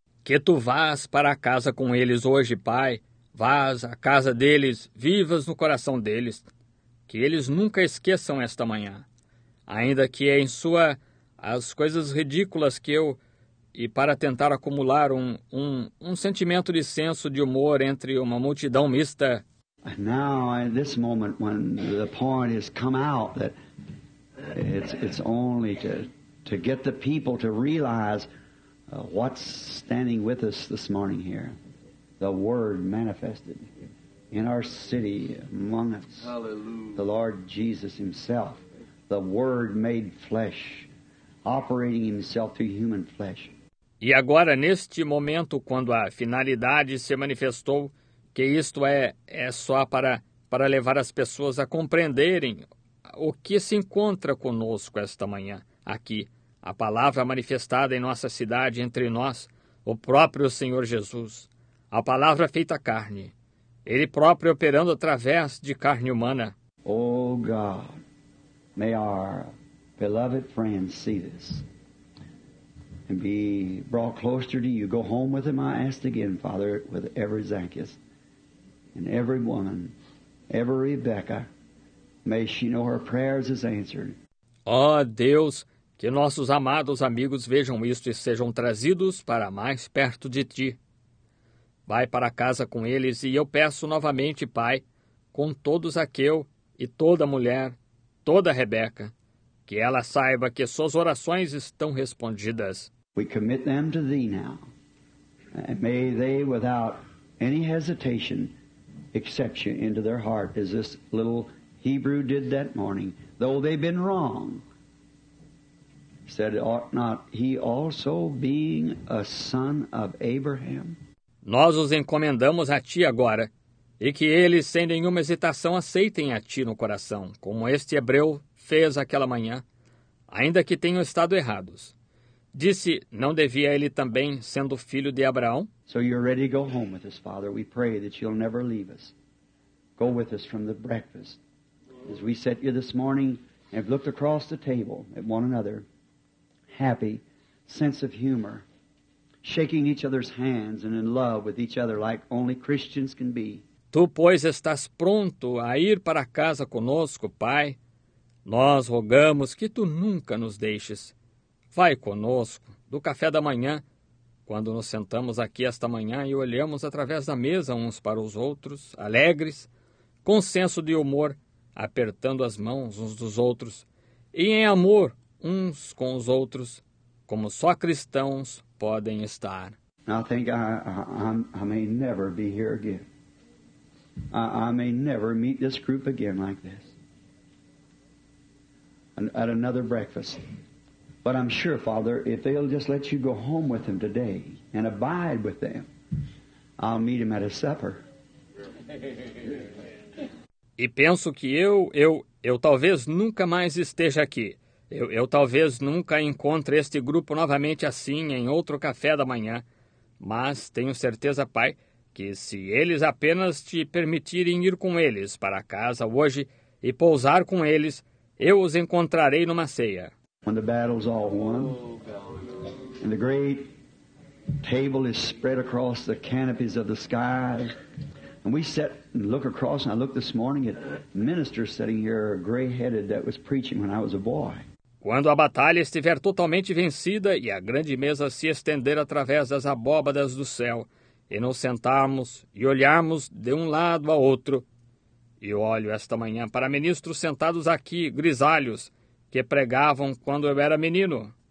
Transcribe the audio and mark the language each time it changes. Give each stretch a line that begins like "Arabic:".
Portuguese: Que tu vás para casa com eles hoje, Pai. Vás à casa deles, vivas no coração deles, que eles nunca esqueçam esta manhã, ainda que em sua as coisas ridículas que eu, e para tentar acumular um sentimento de senso de humor entre uma multidão mista.
English: Now, at this moment, when the point has come out that it's only to get the people to realize what's standing with us this morning here. The Word manifested in our city among us. Hallelujah. The Lord Jesus Himself, the Word made flesh, operating Himself through human flesh.
Portuguese: E agora, neste momento, quando a finalidade se manifestou, que isto é só para levar as pessoas a compreenderem o que se encontra conosco esta manhã, aqui, a palavra manifestada em nossa cidade, entre nós, o próprio Senhor Jesus. A palavra feita carne, Ele próprio operando através de carne humana.
English: Oh God, may our beloved friends see this and be brought closer to you. Go home with them, I ask again, Father, with every Zacchaeus and every woman, every Rebecca. May she know her prayers is answered.
Portuguese: Oh Deus, Que nossos amados amigos vejam isto e sejam trazidos para mais perto de ti. Vai para casa com eles e eu peço novamente, Pai, com todo Zaqueu e toda mulher, toda Rebeca, que ela saiba que suas orações estão respondidas.
English: We commit them to thee now, and may they, without any hesitation, accept you into their heart, as this little Hebrew did that morning, though they've been wrong. Said, ought not he also being a son of Abraham?
Portuguese: Nós os encomendamos a ti agora, e que eles, sem nenhuma hesitação, aceitem a ti no coração, como este hebreu fez aquela manhã, ainda que tenham estado errados. Disse, não devia ele também, sendo filho de Abraão?
English: So you're ready to go home with us, Father. We pray that you'll never leave us. Go with us from the breakfast. As we sat here this morning and have looked across the table at one another, happy, sense of humor, shaking each other's hands and in love with each other like only Christians can be.
Portuguese: Tu, pois, estás pronto a ir para casa conosco, Pai. Nós rogamos que tu nunca nos deixes. Vai conosco, do café da manhã, quando nos sentamos aqui esta manhã e olhamos através da mesa uns para os outros, alegres, com senso de humor, apertando as mãos uns dos outros, e em amor uns com os outros, como só cristãos podem estar.
English: I think I may never be here again. I may never meet this group again like this. At another breakfast. But I'm sure, Father, if they'll just let you go home with them today and abide with them, I'll meet them at a supper.
Portuguese: E penso que eu talvez nunca mais esteja aqui. Eu talvez nunca encontre este grupo novamente assim em outro café da manhã. Mas tenho certeza, Pai, que se eles apenas te permitirem ir com eles para casa hoje e pousar com eles, eu os encontrarei numa ceia.
English: When the battle's all won, and the great table is spread across the canopies of the sky, and we sit and look across, and I looked this morning at a minister sitting here, gray-headed, that was preaching when I was a boy.
Portuguese: Quando a batalha estiver totalmente vencida e a grande mesa se estender através das abóbadas do céu, e nos sentarmos e olharmos de um lado a outro, e olho esta manhã para ministros sentados aqui, grisalhos, que pregavam quando eu era menino.